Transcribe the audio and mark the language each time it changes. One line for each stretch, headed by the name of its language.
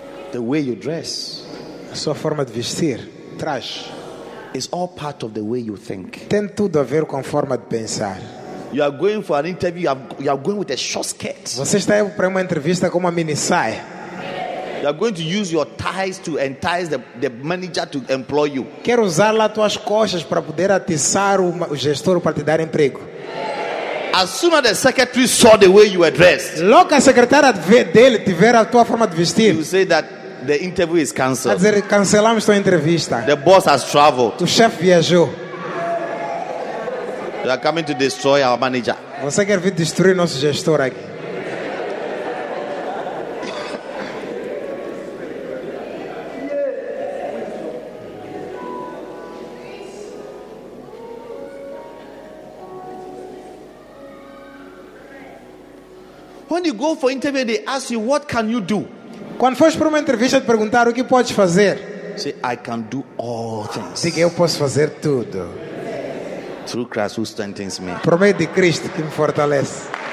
English: The way you dress,
Portuguese: a sua forma de vestir, traje,
English: is all part of the way you think.
Portuguese: Tem tudo a ver com a forma de pensar.
English: You are going for an interview. You are going with a short skirt.
Portuguese: Você está indo para uma entrevista com uma mini saia.
English: You are going to use your ties to entice the manager to employ you.
Portuguese: Quer usar lá tuas costas para poder atiçar o gestor para te dar emprego.
English: As soon as the secretary saw the way you were dressed,
Portuguese: logo a secretária dele te ver a tua forma de vestir,
English: you say that the interview is cancelled.
Portuguese: Quer dizer, cancelamos tua entrevista.
English: The boss has traveled.
Portuguese: O chefe viajou.
English: You are coming to destroy our manager.
Portuguese: Você quer vir destruir nosso gestor aqui?
English: When you go for interview, they ask you, what can you do?
Portuguese: Quando foste para uma entrevista, te perguntaram o que podes fazer.
English: Say, I can do all things.
Portuguese: Diga, eu posso fazer tudo.
English: Through Christ who strengthens me.
Portuguese: Por meio de Cristo que me fortalece.